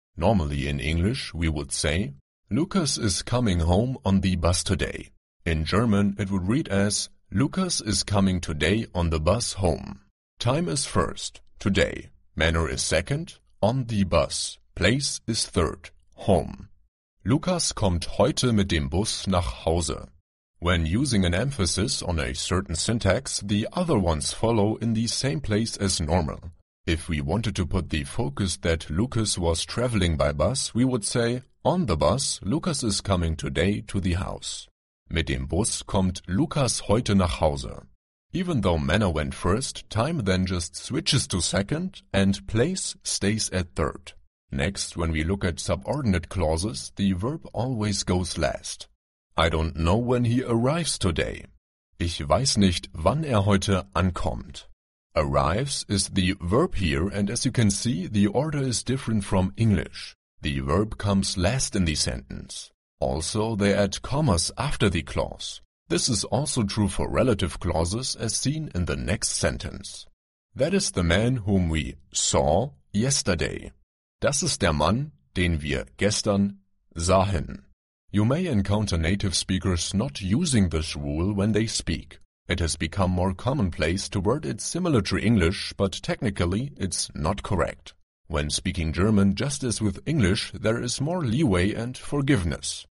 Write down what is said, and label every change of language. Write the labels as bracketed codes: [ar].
[en] Normally in English, we would say, Lucas is coming home on the bus today. In German, it would read as, Lucas is coming today on the bus home. Time is first, today. Manner is second, on the bus. Place is third, home. [de] Lucas kommt heute mit dem Bus nach Hause. [en] When using an emphasis on a certain syntax, the other ones follow in the same place as normal. If we wanted to put the focus that Lucas was traveling by bus, we would say, on the bus, Lucas is coming today to the house. [de] Mit dem Bus kommt Lukas heute nach Hause. [en] Even though manner went first, time then just switches to second and place stays at third. Next, when we look at subordinate clauses, the verb always goes last. I don't know when he arrives today. [de] Ich weiß nicht, wann heute ankommt. [en] Arrives is the verb here, and as you can see, the order is different from English. The verb comes last in the sentence. Also, they add commas after the clause. This is also true for relative clauses as seen in the next sentence. That is the man whom we saw yesterday. [de] Das ist der Mann, den wir gestern sahen. [en] You may encounter native speakers not using this rule when they speak. It has become more commonplace to word it similar to English, but technically it's not correct. When speaking German, just as with English, there is more leeway and forgiveness.